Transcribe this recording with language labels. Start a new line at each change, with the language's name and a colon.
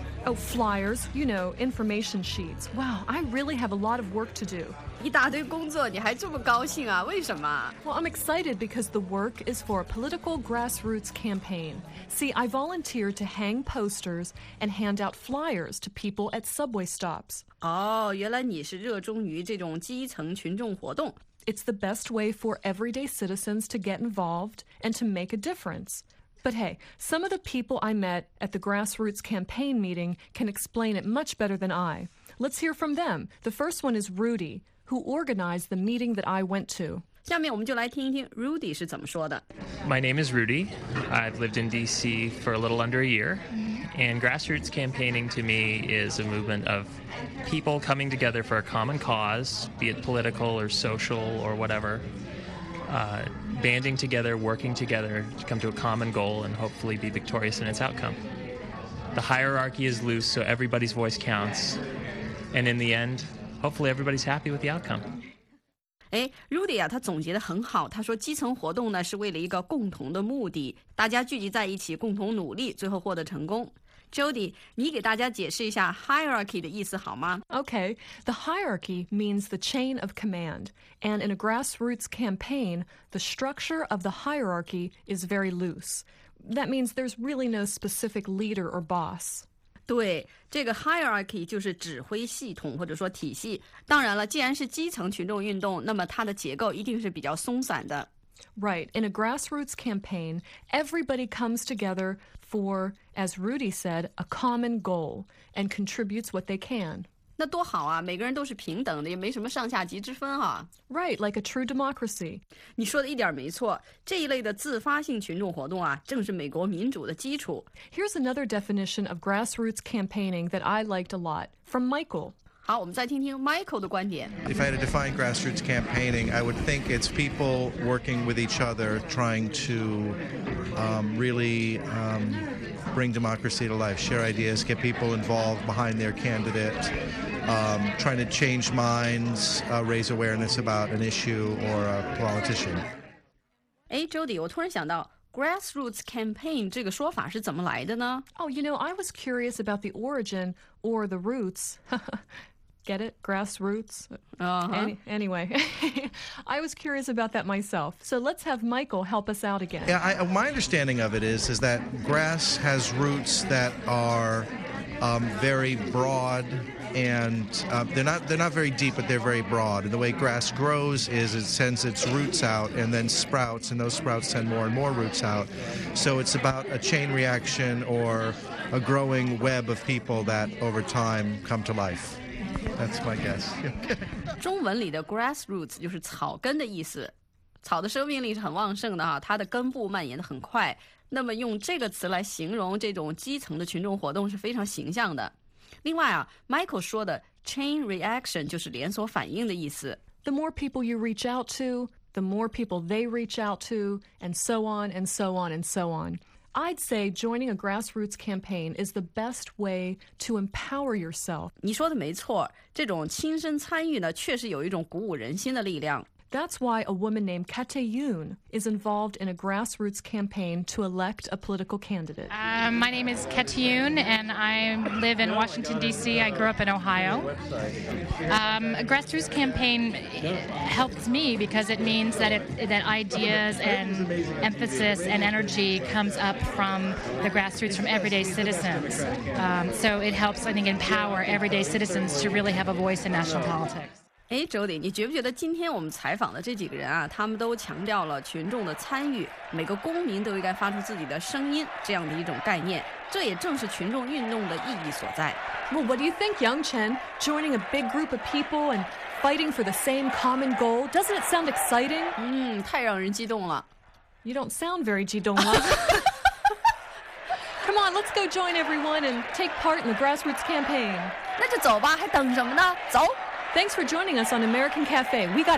English: Oh, flyers, you know, information sheets. Wow, I really have a lot of work to do.
Chinese: 一大堆工作你还这么高兴啊？为什么？
English: Well, I'm excited because the work is for a political grassroots campaign. See, I volunteer to hang posters and hand out flyers to people at subway stops.
Chinese: 哦，原来你是热衷于这种基层群众活动。
English: It's the best way for everyday citizens to get involved and to make a difference. But hey, some of the people I met at the grassroots campaign meeting can explain it much better than I. Let's hear from them. The first one is Rudy, who organized the meeting that I went to.
Chinese: 下面我们就来听一听 Rudy 是怎么说的。
English: My name is Rudy. I've lived in D.C. for a little under a year. And grassroots campaigning to me is a movement of people coming together for a common cause, be it political or social or whatever. Banding together, working together to come to a common goal and hopefully be victorious in its outcome. The hierarchy is loose, so everybody's voice counts. And in the end, hopefully everybody's happy with the outcome.
Chinese: Hey, Rudy, 他总结得很好。他说基层活动呢是为了一个共同的目的，大家聚集在一起，共同努力，最后获得成功。 Jody, 你给大家解释一下 hierarchy 的意思好吗？
English: Okay, the hierarchy means the chain of command. And in a grassroots campaign, the structure of the hierarchy is very loose. That means there's really no specific leader or boss.
Chinese: 对，这个 hierarchy 就是指挥系统或者说体系。当然了，既然是基层群众运动，那么它的结构一定是比较松散的。
English: Right, in a grassroots campaign, everybody comes together for, as Rudy said, a common goal and contributes what they can.
Chinese: 那多好啊，每个人都是平等的，也没什么上下级之分啊。
English: Right, like a true democracy.
Chinese: 你说的一点没错，这一类的自发性群众活动啊，正是美国民主的基础。
English: Here's another definition of grassroots campaigning that I liked a lot, from Michael.
Chinese: 好，我们再听听 Michael 的观点。
English: If I had to define grassroots campaigning, I would think it's people working with each other, trying to really bring democracy to life, share ideas, get people involved behind their candidate, trying to change minds, raise awareness about an issue or a politician. Hey, Jody,
Chinese: 我突然想到。Grassroots campaign 这个说法是怎么来的呢
English: ？Oh, you know, I was curious about the origin or the roots. Get it? Grassroots? Anyway, I was curious about that myself. So let's have Michael help us out again. Yeah, my understanding of it is that grass has roots that are very broad and they're not very deep, but they're very broad. And the way grass grows is it sends its roots out and then sprouts, and those sprouts send more and more roots out. So it's about a chain reaction or a growing web of people that over time come to life. That's my guess.
Chinese: 中文里的 grassroots 就是草根的意思，草的生命力是很旺盛的哈，它的根部蔓延的很快。那么用这个词来形容这种基层的群众活动是非常形象的。另外啊 ，Michael 说的 chain reaction 就是连锁反应的意思。
English: The more people you reach out to, the more people they reach out to, and so on and so on and so on. I'd say joining a grassroots campaign is the best way to empower yourself.
Chinese: 你说的没错，这种亲身参与呢，确实有一种鼓舞人心的力量。
English: That's why a woman named Kate Yoon is involved in a grassroots campaign to elect a political candidate. My name is Kate Yoon, and I live in Washington, D.C. I grew up in Ohio. A grassroots campaign helps me because it means that, that ideas and emphasis and energy comes up from the grassroots, from everyday citizens. So it helps, I think, empower everyday citizens to really have a voice in national politics.
Chinese: 哎 ，Jody， 你觉不觉得今天我们采访的这几个人啊，他们都强调了群众的参与，每个公民都应该发出自己的声音这样的一种概念，这也正是群众运动的意义所在。
English: Well, what do you think, Yang Chen? Joining a big group of people and fighting for the same common goal, doesn't it sound exciting?
Chinese: 嗯，太让人激动了。
English: You don't sound very
Chinese: 激动了。
English: Come on, let's go join everyone and take part in the grassroots campaign.
Chinese: 那就走吧，还等什么呢？走。
English: Thanks for joining us on American Cafe. We gotta go.